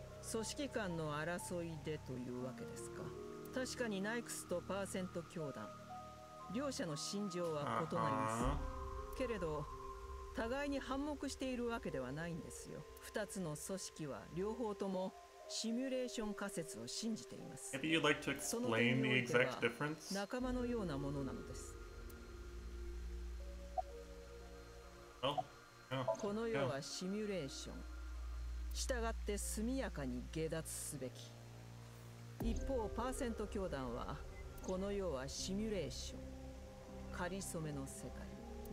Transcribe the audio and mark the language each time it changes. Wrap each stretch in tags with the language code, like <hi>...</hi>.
<ja>組織間の争いでというわけですか。確かにナイクスとパーセント教団両者の心情は異なりますけれど互いに反目しているわけではないんですよ。 2つの組織は両方ともシミュレーション仮説を信じています。</ja> <en>Maybe you'd like to explain the exact difference?</en> <ja>仲間のようなものなのです。この世はシミュレーション。したがって速やかに下脱すべき。一方、パーセント教団は、この世はシミュレーション。仮初めの世界。</ja>